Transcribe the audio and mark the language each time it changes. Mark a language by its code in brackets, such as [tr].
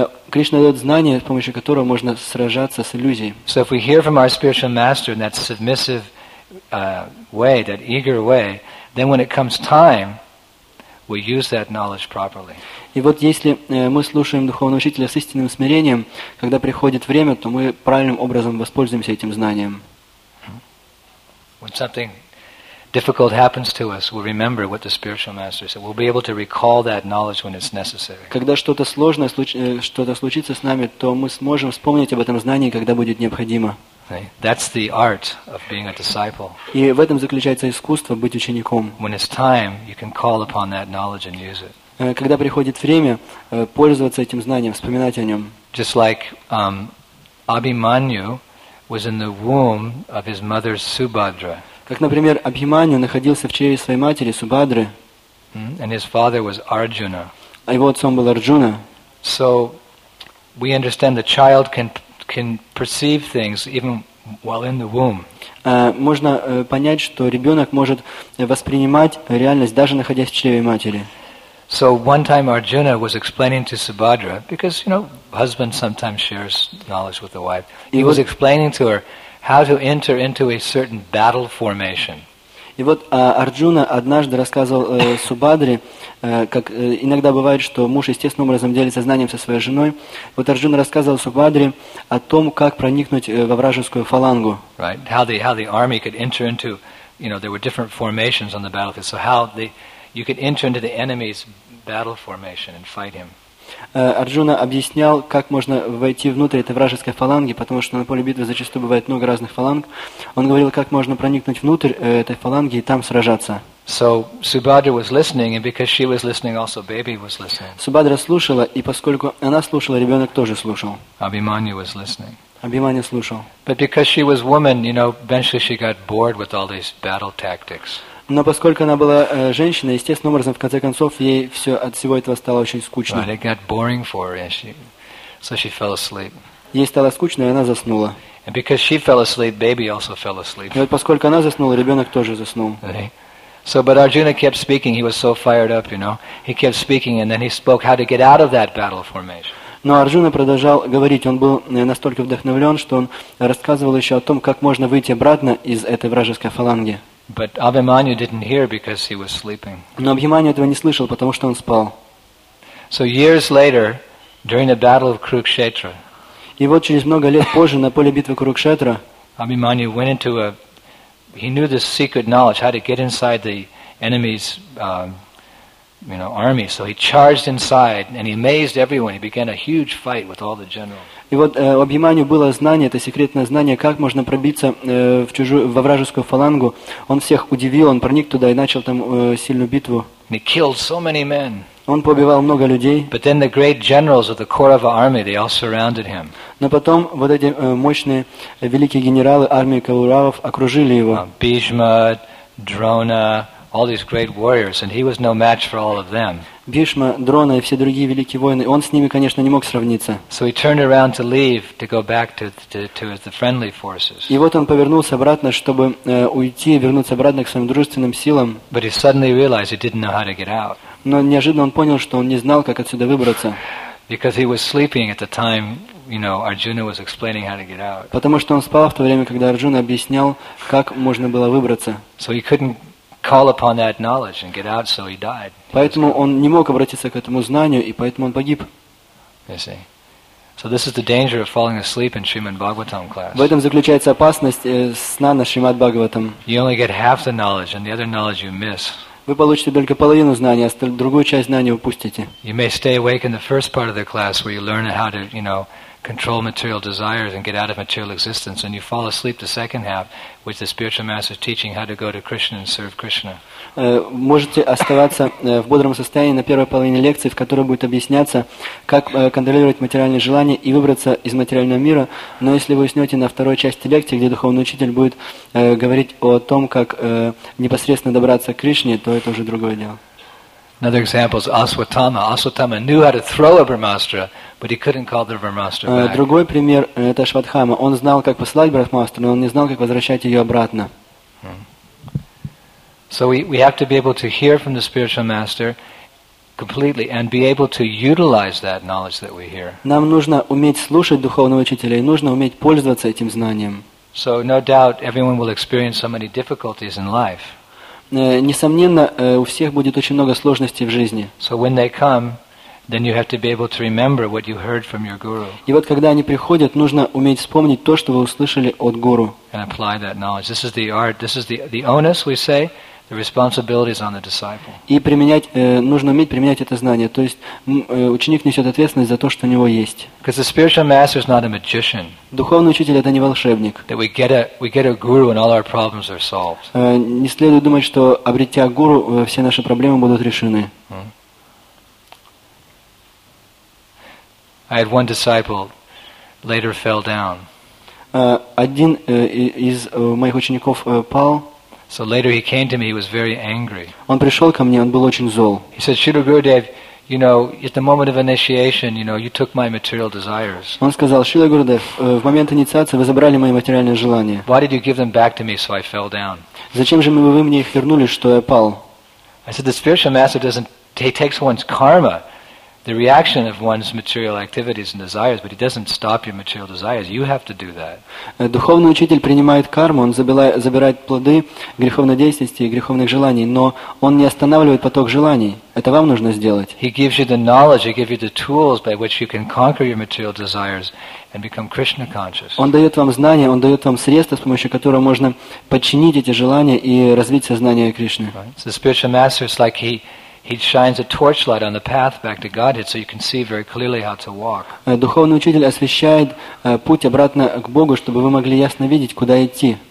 [ru] Кришна дает знание, с помощью которого можно сражаться с иллюзией. [en] So if we hear from our spiritual master in that submissive way, that eager way, then when it comes time, we use that knowledge properly. [ru] И вот если мы слушаем духовного учителя с истинным смирением, когда приходит время, то мы правильным образом воспользуемся этим знанием. [en] When something difficult happens to us, we'll remember what the spiritual master said. We'll be able to recall that knowledge when it's necessary. [ru] Когда что-то сложное случится с нами, то мы сможем вспомнить об этом знании, когда будет необходимо. [en] That's the art of being a disciple. [ru] И в этом заключается искусство быть учеником. [en] When it's time, you can call upon that knowledge and use it. [ru] Когда приходит время, пользоваться этим знанием, вспоминать о нем. [en] Just like Abhimanyu was in the womb of his mother Subhadra. [ru] Как, например, Абхиманию находился в чреве своей матери, Субхадры. [en] And his father was Arjuna. [ru] А его отцом был Арджуна. [en] So we understand the child can perceive things even while in the womb. [ru] Можно понять, что ребенок может воспринимать реальность, даже находясь в чреве матери. [en] So one time Arjuna was explaining to Subhadra, because, you know, husband sometimes shares knowledge with the wife. He was explaining to her how to enter into a certain battle formation. [ru] И вот Арджуна однажды рассказывал Субхадре, как иногда бывает, что муж естественным образом делится знанием со своей женой. Вот Арджуна рассказывал Субхадре о том, как проникнуть во вражескую фалангу. [en] Right. How the army could enter into, you know, there were different formations on the battlefield. So how you could enter into the enemy's battle formation and fight him. [ru] Арджуна объяснял, как можно войти внутрь этой вражеской фаланги, потому что на поле битвы зачастую бывает много разных фаланг. Он говорил, как можно проникнуть внутрь этой фаланги и там сражаться. [en] So Subhadra was listening, and because she was listening, also baby was listening. [ru] Субхадра слушала, и поскольку она слушала, ребенок тоже слушал. [en] Abhimanyu was listening. [ru] Abhimanyu слушал. [en] But because she was woman, you know, eventually she got bored with all these battle tactics. [ru] Но поскольку она была женщиной, естественным образом, в конце концов, ей все от всего этого стало очень скучно. [en] Right, it got boring for her, and so she fell asleep. [ru] Ей стало скучно, и она заснула. [en] And because she fell asleep, baby also fell asleep. [ru] И вот поскольку она заснула, ребенок тоже заснул. [en] So, but Arjuna kept speaking. He was so fired up, you know. He kept speaking, and then he spoke how to get out of that battle formation. [ru] Но Арджуна продолжал говорить. Он был настолько вдохновлен, что он рассказывал еще о том, как можно выйти обратно из этой вражеской фаланги. [en] But Abhimanyu didn't hear because he was sleeping. [ru] Но Абхиманию этого не слышал, потому что он спал. [en] So years later, during the battle of Kurukshetra. [ru] И вот через много лет позже на поле битвы Курукшетра. [en] Abhimanyu went into a. He knew this secret knowledge how to get inside the enemy's, you know, army. So he charged inside and he amazed everyone. He began a huge fight with all the generals. [ru] И вот у Абхиманию было знание, это секретное знание, как можно пробиться во вражескую фалангу. Он всех удивил, он проник туда и начал там сильную битву. [en] He killed so many men. [ru] Он побивал много людей. [en] But then the great generals of the Kaurava army, they all surrounded him. [ru] Но потом вот эти мощные великие генералы армии Кауравов окружили его. [en] Бхишма, Дрона, all these great warriors, and he was no match for all of them. [ru] Бхишма, Дрона и все другие великие воины, он с ними, конечно, не мог сравниться. [en] So he turned around to leave, to go back to the friendly forces. [ru] И вот он повернулся обратно, чтобы уйти, вернуться обратно к своим дружественным силам. [en] But he suddenly realized he didn't know how to get out. [ru] Но неожиданно он понял, что он не знал, как отсюда выбраться. [en] Because he was sleeping at the time, you know, Arjuna was explaining how to get out. [ru] Потому что он спал в то время, когда Арджуна объяснял, как можно было выбраться. [en] So he couldn't call upon that knowledge and get out, so he died. [ru] Поэтому он не мог обратиться к этому знанию, и поэтому он погиб. [en] You see? So this is the danger of falling asleep in Srimad Bhagavatam class. [ru] В этом заключается опасность сна на Шримад Бхагаватам. [en] You only get half the knowledge, and the other knowledge you miss. [ru] Вы получите только половину знания, а другую часть знания упустите. [en] You may stay awake in the first part of the class where you learn how to, you know, control material desires and get out of material existence, and you fall asleep the second half with the spiritual master teaching how to go to Krishna and serve Krishna. [ru] Можете оставаться в бодром состоянии на первой половине лекции, в которой будет объясняться, как контролировать материальные желания и выбраться из материального мира, но если вы уснете на второй части лекции, где духовный учитель будет говорить о том, как непосредственно добраться к Кришне, то это уже другое дело. [en] Another example is Aswatthama. Aswatthama knew how to throw a brahmastra, but he couldn't call the brahmastra back. [ru] Другой пример – это Ашватхама. Он знал, как посылать брахмастру, но он не знал, как возвращать ее обратно. [en] So we have to be able to hear from the spiritual master completely and be able to utilize that knowledge that we hear. [ru] Нам нужно уметь слушать духовного учителя и нужно уметь пользоваться этим знанием. [en] So no doubt everyone will experience so many difficulties in life. [ru] Несомненно, у всех будет очень много сложностей в жизни. [en] So when they come, then you have to be able to remember what you heard from your guru. [ru] И вот когда они приходят, нужно уметь вспомнить то, что вы услышали от гуру. [en] And apply that knowledge. This is the art. This is the onus, we say. The responsibility is on the disciple. [ru] И применять нужно уметь применять это знание. То есть ученик несет ответственность за то, что у него есть. [en] Because the spiritual master is not a magician. [ru] Духовный учитель это не волшебник. [en] That we get a guru and all our problems are solved. [ru] Не следует думать, что обретя гуру все наши проблемы будут решены. [en] I had one disciple later fell down. [ru] Один из моих учеников пал. [en] So later he came to me, he was very angry. [ru] Он пришел ко мне, он был очень зол. [en] He said, Shri Gurudev, you know, at the moment of initiation, you know, you took my material desires. [ru] Он сказал, Шри Гурудев, в момент инициации вы забрали мои материальные желания. [en] Why did you give them back to me so I fell down? [ru] Зачем же вы мне их вернули, что я пал? [en] I said, the spiritual master takes one's karma. The reaction of one's material activities and desires, but he doesn't stop your material desires. You have to do that. [ru] Духовный учитель принимает карму, он забирает плоды греховной деятельности и греховных желаний, но он не останавливает поток желаний. Это вам нужно сделать. [en] He gives you the knowledge, he gives you the tools by which you can conquer your material desires and become Krishna conscious. [ru] Он дает вам знания, он дает вам средства, с помощью которого можно подчинить эти желания и развить сознание Кришны. [en] The spiritual master is like He shines a torchlight on the path back to Godhead, so you can see very clearly how to walk. [ru] Духовный учитель освещает путь обратно к Богу, чтобы вы могли ясно видеть, куда идти.